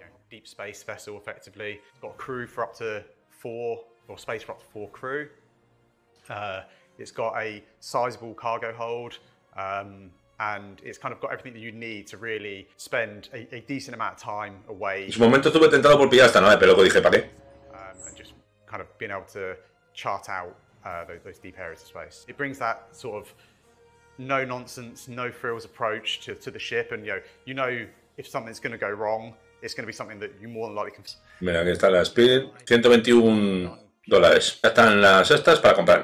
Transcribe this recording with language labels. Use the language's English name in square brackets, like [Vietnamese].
[English] Deep space vessel, effectively. It's got a crew for up to four, or space for up to four crew. It's got a sizable cargo hold, and it's kind of got everything that you need to really spend a decent amount of time away. [Spanish] En su momento estuve tentado por pillar esta nave, pero luego dije, ¿para qué? [English] And just kind of being able to chart out those deep areas of space. It brings that sort of no-nonsense, no-frills approach to the ship, and you know if something's going to go wrong, it's going to be something that you more than likely can... [Spanish] Mira, aquí está la Spirit, $121. Ya están las estas para comprar.